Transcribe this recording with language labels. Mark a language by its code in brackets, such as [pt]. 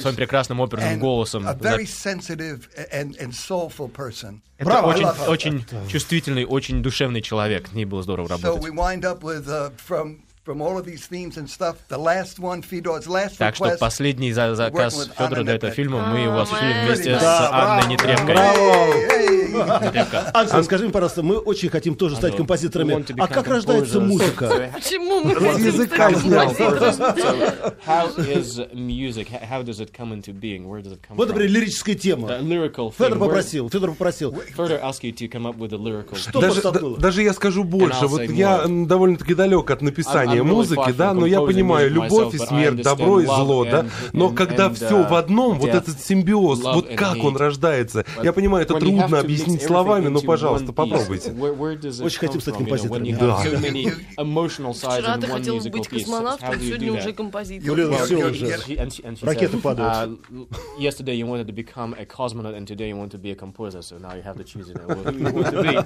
[ru] Своим прекрасным оперным голосом. [en] A very sensitive and soulful person. [ru] Это очень, очень чувствительный, очень душевный человек. С ней было здорово работать. [en] So we wind up with from all of these themes and stuff, the last one, Fedor's last [ru] так [en] request. [ru] Так что последний заказ Федора для этого фильма мы его осуществили вместе с Анной Нетребко. Браво! Анна, скажи мне, пожалуйста, мы очень хотим тоже стать композиторами. А как рождается музыка? Почему мы хотим стать композиторами? [en] How is music? How does it come into being? Where does it come from? [ru] Вот, например, лирическая тема. Федор попросил. [en] Федор asked you to come up with a lyrical. [ru] Что подтолкнуло? Даже я скажу больше. Вот я довольно-таки далек от написания музыки, да, но я понимаю, любовь и смерть, добро и зло, да, но когда все в одном, вот этот симбиоз, вот как он рождается, я понимаю, это трудно объяснить словами, но, пожалуйста, попробуйте. Очень хотим стать композитором. Да. Вчера ты хотел быть космонавтом, сегодня уже композитор. Юлия, все уже, ракеты падают. [en] Yesterday you wanted to become a cosmonaut, and today you want to be a composer, so now you have to choose it.